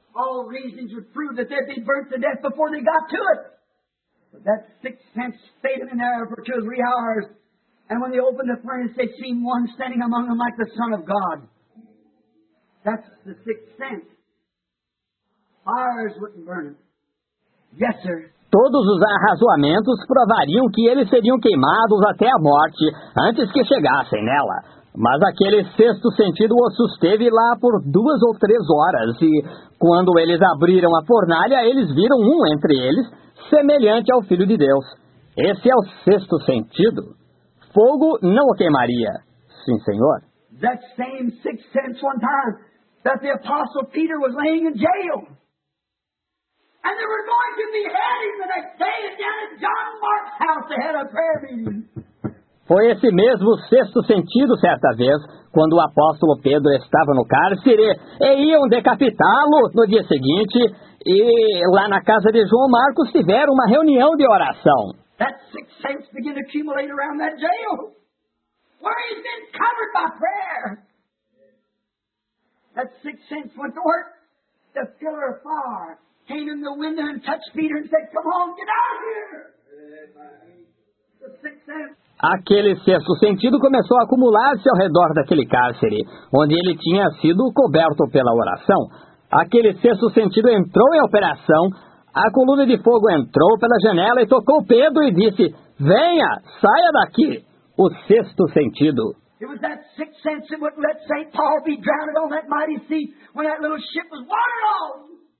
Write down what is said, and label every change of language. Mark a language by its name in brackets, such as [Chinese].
[English] All reasons would prove that they'd be burnt to death before they got to it. But that sixth sense stayed in there for two or three hours, and when they opened the furnace, they seen one standing among them like the Son of God. That's the sixth sense. Fires wouldn't burn it. Yes, sir. [Portuguese] Todos os arrazoamentos provariam que eles seriam queimados até a morte antes que chegassem nela. Mas aquele sexto sentido os susteve lá por duas ou três horas. E quando eles abriram a fornalha, eles viram um entre eles, semelhante ao Filho de Deus. Esse é o sexto sentido. Fogo não o queimaria. Sim, senhor. [English] That same sixth sense one time that the apostle Peter was laying in jail. And they were going to behead him the next day down at John Mark's house ahead of prayer meeting. [Portuguese] Foi esse mesmo sexto sentido certa vez, quando o apóstolo Pedro estava no cárcere, e iam decapitá-lo no dia seguinte, e lá na casa de João Marcos tiveram uma reunião de oração. [English] That sixth sense began to accumulate around that jail, where he's been covered by prayer. That sixth sense went to work to fill her far. Came in the window and touched Peter and said, come on, get out here! The sixth sense. [Portuguese] Aquele sexto sentido começou a acumular-se ao redor daquele cárcere, onde ele tinha sido coberto pela oração. Aquele sexto sentido entrou em operação, a coluna de fogo entrou pela janela e tocou Pedro e disse, venha, saia daqui! O sexto sentido. [English] It was that sixth sense that wouldn't let St. Paul be drowned on that mighty sea when that little ship was water on.